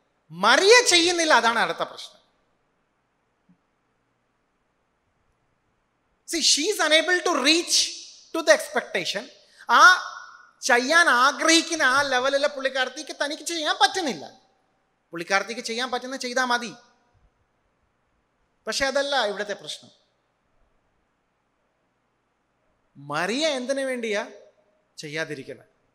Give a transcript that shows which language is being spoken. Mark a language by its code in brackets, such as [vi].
[ml] മറിയ ചെയ്യുന്നില്ല, അതാണ് അടുത്ത പ്രശ്നം. [en] See, she is unable to reach to the expectation. [ml] ആ ചെയ്യാൻ ആഗ്രഹിക്കുന്ന ആ ലെവലിലെ പുള്ളിക്കാർത്തിക്ക് തനിക്ക് ചെയ്യാൻ പറ്റുന്നില്ല. പുള്ളിക്കാർത്തിക്ക് ചെയ്യാൻ പറ്റുന്ന ചെയ്താൽ മതി. പക്ഷെ അതല്ല ഇവിടുത്തെ പ്രശ്നം. മറിയ എന്തിനു വേണ്ടിയാ ചെയ്യാതിരിക്കുന്നത്?